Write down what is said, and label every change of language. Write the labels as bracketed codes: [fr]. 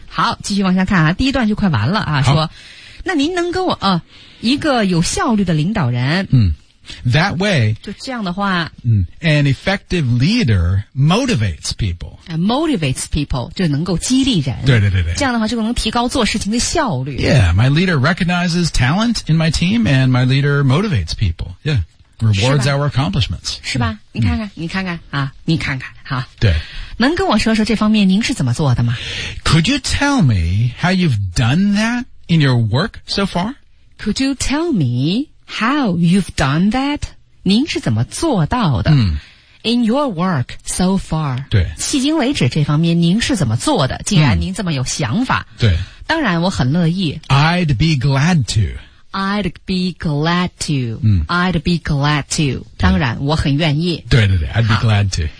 [zh] 好继续往下看啊，第一段就快完了啊，说那您能跟我一个有效率的领导人、 [en] 嗯、That way, [zh] 就这样的话, [en] an effective leader motivates people. Motivates people, [zh] 就能够激励人。对对对对。这样的话就能提高做事情的效率。 [en] Yeah, my leader recognizes talent in my team, and my leader motivates people. Yeah, rewards our accomplishments. [zh] 是吧？你看看，你看看啊，你看看啊。对。能跟我说说这方面您是怎么做的吗？ [en] Could you tell me how you've done that in your work so far? Could you tell me how you've done that? [zh] 您是怎么做到的？ [en] In your work so far. [zh] 对。迄今为止这方面您是怎么做的？既然您这么有想法。对。当然我很乐意。 [en] I'd be glad to. I'd be glad to. I'd be glad to. [zh] 当然我很愿意。对对对 [en] ,I'd be glad to.